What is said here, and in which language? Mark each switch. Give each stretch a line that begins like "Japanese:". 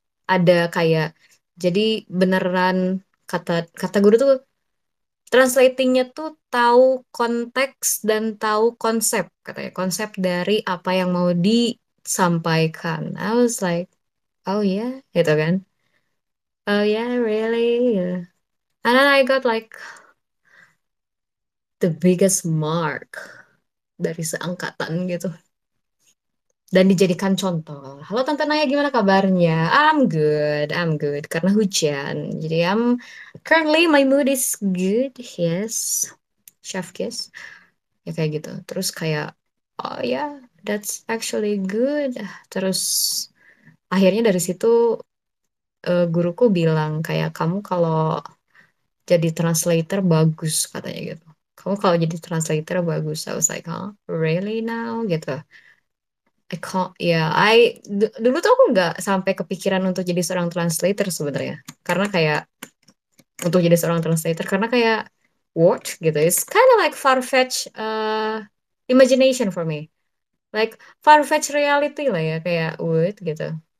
Indonesian: Ada kayak jadi beneran kata kata guru tuh Translatingnya tuh tahu konteks dan tahu konsep, katanya konsep dari apa yang mau disampaikan.
English: I was like, oh yeah, gitu kan. Oh yeah, really? Yeah. And then I got like the biggest mark dari seangkatan gitu.
Indonesian: Dan dijadikan contoh. Halo Tante Naya, gimana kabarnya? I'm good, karena hujan.
English: Jadi currently my mood is good, yes. Chef kiss. Ya kayak gitu. Terus kayak, oh yeah, that's actually good.
Indonesian: Terus akhirnya dari situ guruku bilang kayak, kamu kalau jadi translator bagus, katanya gitu. Kamu kalau jadi translator bagus. I was like, huh? Really now? Gitu. I can't, ya, yeah, I dulu tuh aku nggak sampai kepikiran untuk jadi seorang translator sebenarnya, karena kayak untuk jadi seorang translator karena kayak what gitu, it's kind of like far fetched imagination for me, like far fetched reality lah ya kayak what gitu.